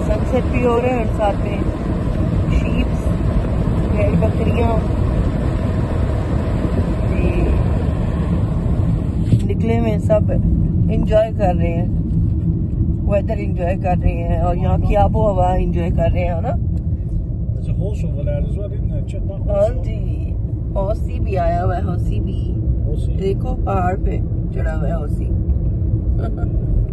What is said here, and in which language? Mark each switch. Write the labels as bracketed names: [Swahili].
[Hindi] set भी हो रहे हैं और साथ में शीप्स भेड़ बकरियां निकले में सब एंजॉय कर रहे हैं वेदर एंजॉय कर रहे हैं और यहां की आबो हवा एंजॉय कर रहे हैं ना [English] there's a horse over there as well isn't there [Hindi] हां जी हॉसी भी आया हुआ है हॉसी भी देखो पहाड़ पे चढ़ा हुआ है हॉसी